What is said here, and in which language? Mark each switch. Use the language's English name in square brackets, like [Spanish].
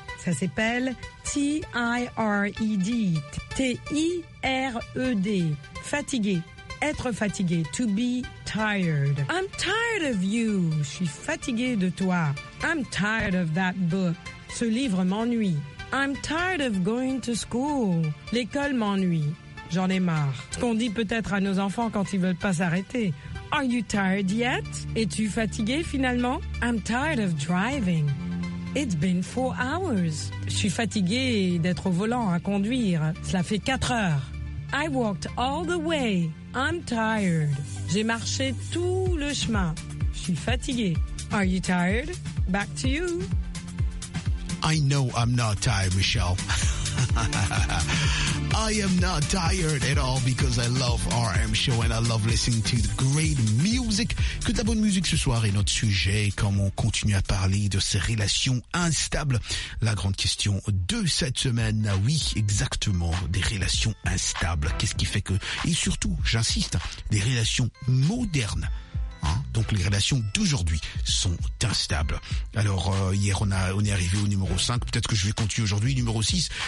[French] Ça s'appelle T-I-R-E-D. T-I-R-E-D. Fatigué. Être fatigué. [English] To be tired. I'm tired of you. [French] Je suis fatigué de toi. [English] I'm tired of that book. [French] Ce livre m'ennuie. [English] I'm tired of going to school. [French] L'école m'ennuie. J'en ai marre. Ce qu'on dit peut-être à nos enfants quand ils veulent pas s'arrêter. [English] Are you tired yet? [French] Es-tu fatigué finalement? [English] I'm tired of driving. It's been 4 hours. [French] Je suis fatigué d'être au volant à conduire. Cela fait 4 heures. [English] I walked all the way. I'm tired. [French] J'ai marché tout le chemin. Je suis fatigué. [English] Are you tired? Back to you. I know I'm not tired, Michelle. I am not tired at all because I love RM Show and I love listening to the great music. [French] Que de la bonne musique ce soir et notre sujet, comment on continue à parler de ces relations instables. La grande question de cette semaine, oui, exactement, des relations instables. Qu'est-ce qui fait que, et surtout, j'insiste, des relations modernes. Donc les relations d'aujourd'hui sont instables. Alors hier on est arrivé au numéro 5, peut-être que je vais continuer aujourd'hui, numéro 6.